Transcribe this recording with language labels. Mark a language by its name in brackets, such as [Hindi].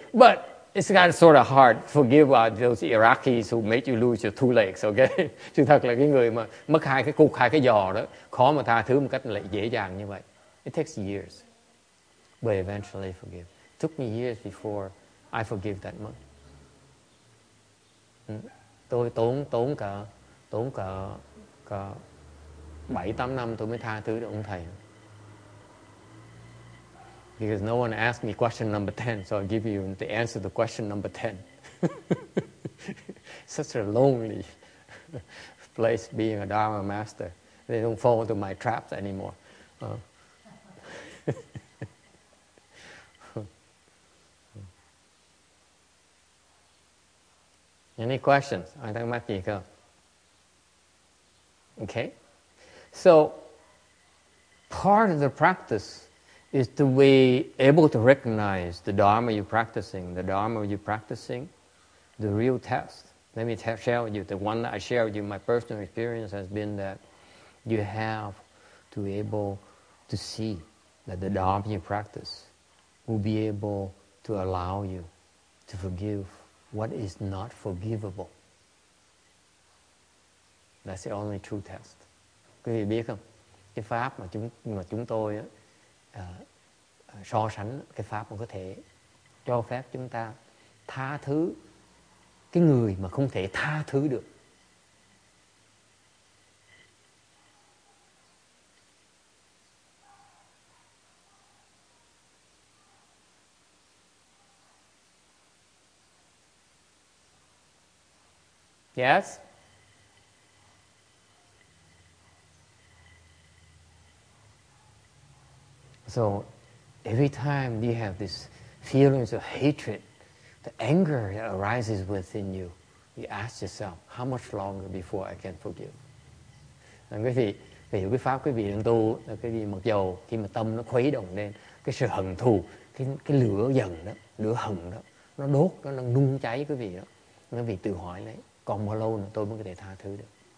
[English] But it's kind of sort of hard to forgive those Iraqis who made you lose your two legs, okay? [Vietnamese] Sự thật là cái người mà mất hai cái cục, hai cái giò đó, khó mà tha thứ một cách lại dễ dàng như vậy. [English] It takes years, but eventually forgive. It took me years before I forgive that much. [Vietnamese] Tôi tốn cả 7-8 năm tôi mới tha thứ được ông thầy. [English] Because no one asked me question number 10, so I'll give you the answer to question number 10. Such a lonely place being a Dharma master. They don't fall into my traps anymore. Any questions? I think that's it. Okay. So, part of the practice is to be able to recognize the Dharma you're practicing, the Dharma you're practicing, the real test. Let me share with you, the one that I share with you, my personal experience has been that you have to be able to see that the Dharma you practice will be able to allow you to forgive what is not forgivable. That's the only true test. [Vietnamese] Quý vị biết không? Cái pháp mà chúng tôi so sánh, cái pháp mà có thể cho phép chúng ta tha thứ cái người mà không thể tha thứ được. [English] Yes? So every time you have this feelings of hatred, the anger that arises within you, you ask yourself, how much longer before I can forgive? [Vietnamese] Quý vị, ví dụ cái pháp quý vị đang tu, quý vị mặc dù khi mà tâm nó khuấy động lên, cái sự hận thù, cái lửa giận đó, lửa hận đó, nó đốt, nó đang nung cháy quý vị đó. Quý vị tự hỏi lấy, còn bao lâu nữa tôi mới có thể tha thứ được?